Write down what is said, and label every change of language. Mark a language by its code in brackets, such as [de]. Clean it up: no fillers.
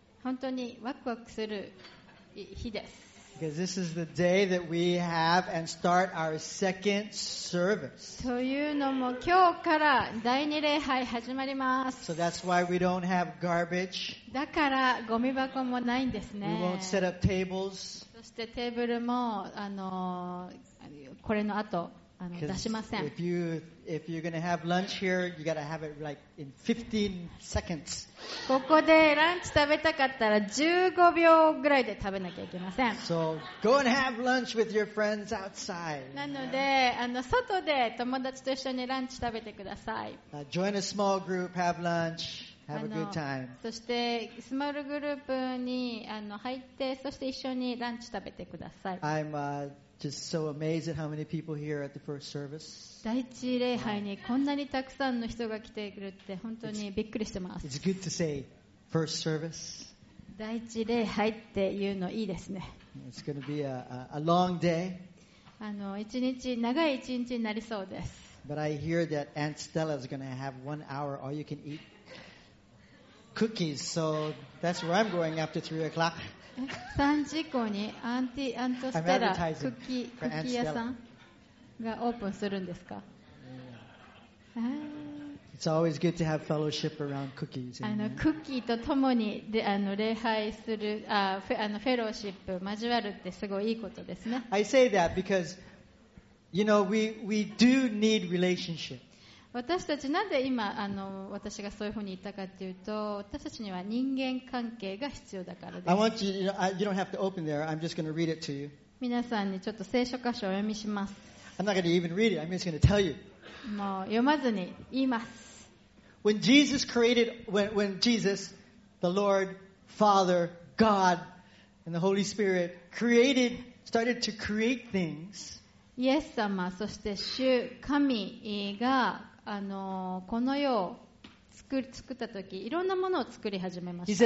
[ja] 本当にワクワクする日です。 [en] Because this is the day that we have and start our second service. [ja] というのも今日から第二礼拝始まります。 [en] So that's why we don't have garbage. [ja] だからゴミ箱もないんですね。 [en] We won't set up tables. [ja] そしてテーブルもこれの後出しません。 [en] If you're gonna have lunch here, you gotta have it like in 15 seconds. [ja] ここでランチ食べたかったら15秒ぐらいで食べなきゃいけません。 [en] So go and have lunch with your friends outside. [ja] なので、外で友達と一緒にランチ食べてください。 [en] Join a small group, have lunch, have a good time. [ja] そしてスモールグループに入って、そして一緒にランチ食べてください。 [en] Just so amazed at how many people here at the first service. [ja] 第一礼拝にこんなにたくさんの人が来てくるって本当にびっくりしてます。 [en] It's good to say first service. [ja] 第一礼拝っていうのいいですね。 [en] It's going to be a long day. [ja] 長い一日になりそうです。 [en] But I hear that Aunt Stella is going to have 1 hour all you can eat cookies. So that's where I'm going after 3 o'clock. [ja] 3時以降にアントステラクッキー屋さんがオープンするんですか？ [en] It's always good to have fellowship around cookies. [ja] クッキーと共に礼拝するフェローシップ交わるってすごいいいことですね。 [en] I say that because, you know, we do need relationship. [ja] 私たちなんで今私がそういうふうに言ったかというと、私たちには人間関係が必要だからです。 [en] I want you, you don't have to open there. I'm just going to read it to you. [ja] 皆さんにちょっと聖書箇所を読みします。 [en] I'm not going to even read it. I'm just going to tell you. [ja] もう読まずに言います。 [en] When Jesus created, when Jesus, the Lord, Father, God, and the Holy Spirit created, started to create things. [ja] イエス様そして主神がこの世を作った時、いろんなものを作り始めました。